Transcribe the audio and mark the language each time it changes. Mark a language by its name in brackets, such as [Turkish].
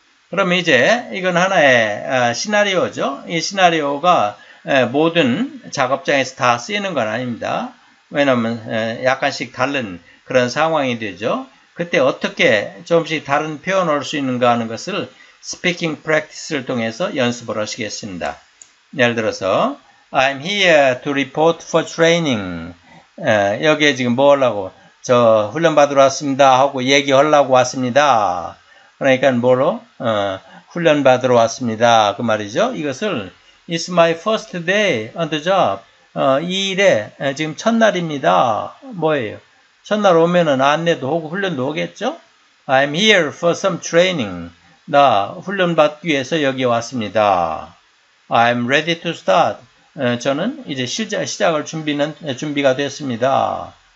[Korean] 그럼 이제 이건 하나의 시나리오죠. 이 시나리오가 모든 작업장에서 다 쓰이는 건 아닙니다. 왜냐하면 약간씩 다른 그런 상황이 되죠. 그때 어떻게 조금씩 다른 표현을 할수 있는가 하는 것을 스피킹 프랙티스를 통해서 연습을 하시겠습니다. 예를 들어서, [English] I'm here to report for training. [Korean] 여기에 지금 뭐 하려고? 저 훈련받으러 왔습니다. 하고 얘기하려고 왔습니다. 그러니까 뭐로? 훈련받으러 왔습니다. 그 말이죠. [English] 이것을 It's my first day on the job. [Korean] 이 일에 지금 첫날입니다. 뭐예요? 첫날 오면은 안내도 하고 훈련도 하겠죠? [English] I'm here for some training. [Korean] 나 훈련받기 위해서 여기 왔습니다. [English] I'm ready to start. [Korean] 저는 이제 시작을 준비가 됐습니다.